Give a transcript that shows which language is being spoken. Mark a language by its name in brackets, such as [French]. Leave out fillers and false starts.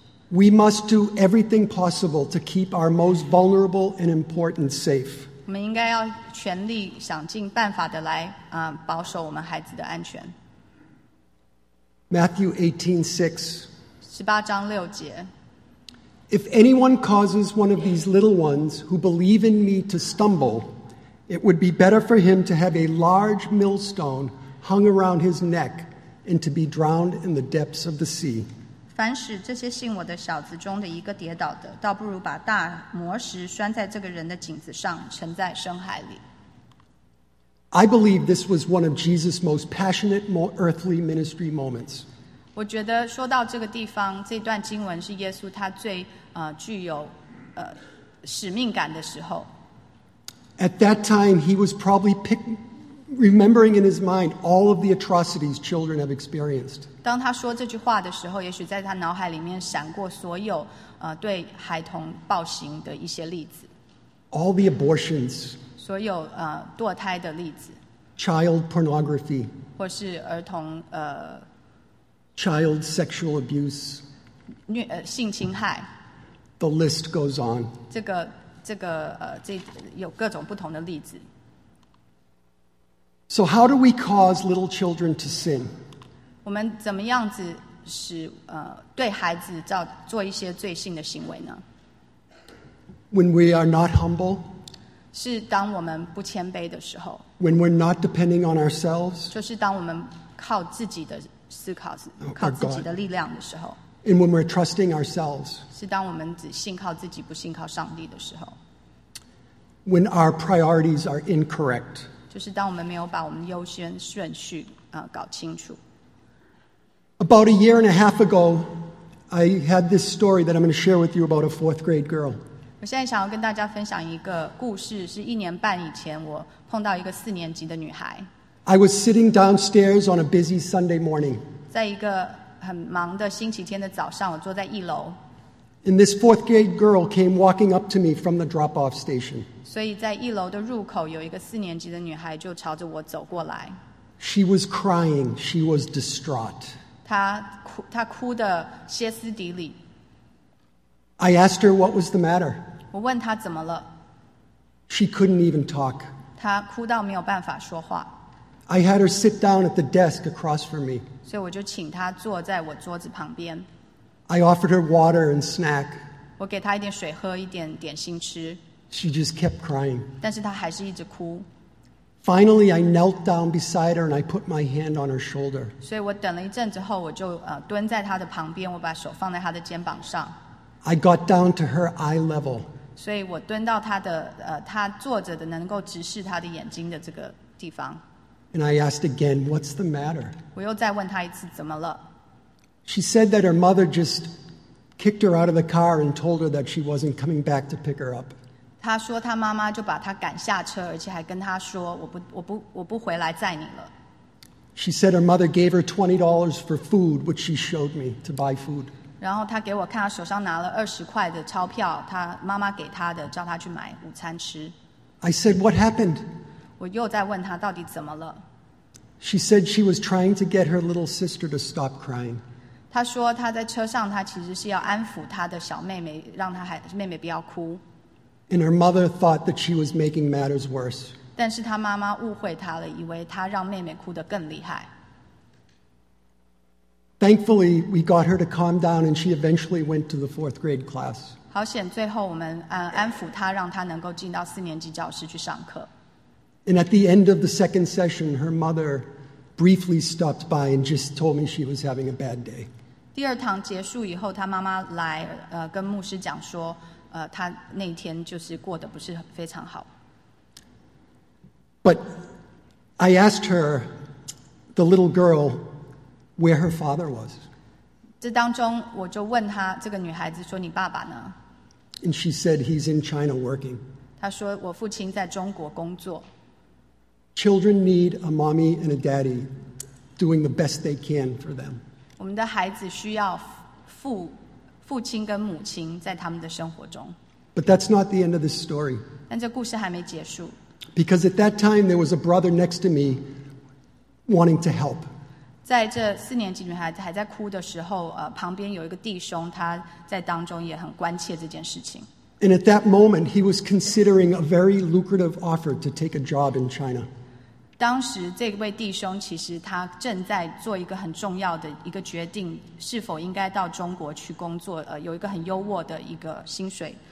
[English] We must do everything possible to keep our most vulnerable and important safe. [Chinese] 我们应该要全力想尽办法的来保守我们孩子的安全。 [English] Matthew 18:6. [Chinese] 十八章六节。 [English] If anyone causes one of these little ones who believe in me to stumble, it would be better for him to have a large millstone hung around his neck and to be drowned in the depths of the sea. [Chinese] 凡使这些信我的小子中的一个跌倒的，倒不如把大磨石拴在这个人的颈子上，沉在深海里。 [English] I believe this was one of Jesus' most passionate, more earthly ministry moments. [Chinese] 我觉得说到这个地方，这段经文是耶稣他最具有使命感的时候。 [English] At that time, he was probably remembering in his mind all of the atrocities children have experienced. [Chinese] 当他说这句话的时候，也许在他脑海里面闪过所有对孩童暴行的一些例子。 [English] All the abortions. [Chinese] 所有堕胎的例子。 [English] Child pornography. [Chinese] 或是儿童 [English] Child sexual abuse. [Chinese] 性侵害。 [English] The list goes on. [Chinese] 这有各种不同的例子。 [English] So how do we cause little children to sin? [Chinese] 我们怎么样子使对孩子做一些罪性的行为呢？ [English] When we are not humble. [Chinese] 是当我们不谦卑的时候。 [English] When we're not depending on ourselves. [Chinese] 就是当我们靠自己的思考，靠自己的力量的时候。 [English] And when we're trusting ourselves. [Chinese] 是当我们只信靠自己，不信靠上帝的时候。 [English] When our priorities are incorrect. [Chinese] 就是当我们没有把我们优先顺序搞清楚。 [English] About a year and a half ago, I had this story that I'm going to share with you about a fourth grade girl. [Chinese] 我现在想要跟大家分享一个故事，是一年半以前我碰到一个四年级的女孩。 [English] I was sitting downstairs on a busy Sunday morning. [Chinese] 在一个很忙的星期天的早上，我坐在一楼。 [English] And this fourth grade girl came walking up to me from the drop-off station. [Chinese] 所以在一楼的入口，有一个四年级的女孩就朝着我走过来。 [English] She was crying. She was distraught. [Chinese] 她哭得歇斯底里。 [English] I asked her what was the matter. [Chinese] 我问她怎么了。 [English] She couldn't even talk. [Chinese] 她哭到没有办法说话。 [English] I had her sit down at the desk across from me. [Chinese] 所以我就请她坐在我桌子旁边。 [English] I offered her water and snack. [Chinese] 我给她一点水喝，一点点心吃。 [English] She just kept crying. [Chinese] 但是她还是一直哭。 [English] Finally, I knelt down beside her and I put my hand on her shoulder. [Chinese] 所以我等了一阵子后，我就蹲在她的旁边，我把手放在她的肩膀上。 [English] I got down to her eye level. [Chinese] 所以我蹲到她的她坐着的能够直视她的眼睛的这个地方。 [English] And I asked again, what's the matter? [Chinese] 我又再问她一次怎么了。 [English] She said that her mother just kicked her out of the car and told her that she wasn't coming back to pick her up. [Chinese] 她说她妈妈就把她赶下车，而且还跟她说我不回来载你了。 [English] She said her mother gave her $20 for food, which she showed me to buy food. [Chinese] 然后她给我看她手上拿了20块的钞票，她妈妈给她的，叫她去买午餐吃。 [English] I said, what happened? [Chinese] 我又在问她到底怎么了。 [English] She said she was trying to get her little sister to stop crying. [Chinese] 他说他在车上，他其实是要安抚他的小妹妹，让他妹妹不要哭。 [English] And her mother thought that she was making matters worse. [Chinese] 但是他妈妈误会他了，以为他让妹妹哭得更厉害。 [English] Thankfully, we got her to calm down, and she eventually went to the fourth grade class. [Chinese] 好险，最后我们安抚她，让她能够进到四年级教室去上课。 [English] And at the end of the second session, her mother briefly stopped by and just told me she was having a bad day. [Chinese] 第二堂结束以后，她妈妈来跟牧师讲说，她那天就是过得不是非常好。 [English] But I asked her, the little girl. Where her father was. [Chinese] 这当中我就问她，这个女孩子说，你爸爸呢？ [English] And she said he's in China working. [Chinese] 她说我父亲在中国工作。 [English] Children need a mommy and a daddy doing the best they can for them. [Chinese] 我们的孩子需要父亲跟母亲在他们的生活中。 [English] But that's not the end of the story. [Chinese] 但这故事还没结束。 [English] Because at that time there was a brother next to me wanting to help. [Chinese] 在这四年级女孩子还在哭的时候，旁边有一个弟兄，他在当中也很关切这件事情。 [English] And at that moment, he was considering a very lucrative offer to take a job in China. [Chinese] 当时这位弟兄其实他正在做一个很重要的一个决定，是否应该到中国去工作，有一个很优渥的一个薪水。